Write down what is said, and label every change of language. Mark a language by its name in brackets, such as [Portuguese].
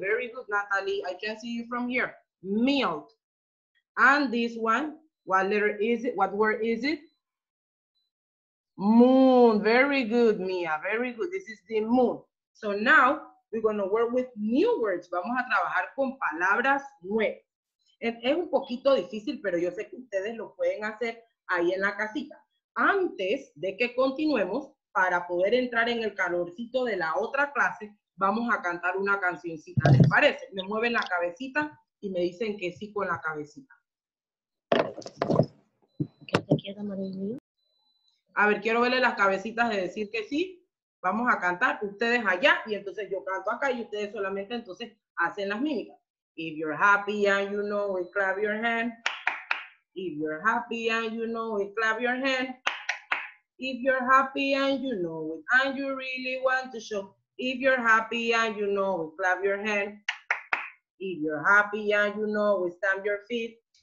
[English] Very good, Natalie. I can see you from here. Milk. And this one, what letter is it? What word is it? Moon. Very good, Mia. Very good. This is the moon. So now we're going to work with new words. [Spanish] Vamos a trabajar con palabras nuevas. Es un poquito difícil, pero yo sé que ustedes lo pueden hacer ahí en la casita. Antes de que continuemos, para poder entrar en el calorcito de la otra clase, vamos a cantar una cancioncita. ¿Les parece? Me mueven la cabecita y me dicen que sí con la cabecita. ¿Qué te queda, Marilu? A ver, quiero verle las cabecitas de decir que sí. Vamos a cantar ustedes allá y entonces yo canto acá y ustedes solamente entonces hacen las mímicas. [English] If you're happy and you know it, clap your hand. If you're happy and you know it, clap your hand. If you're happy and you know it, and you really want to show. If you're happy and you know it, clap your hand. If you're happy and you know it, stamp your feet.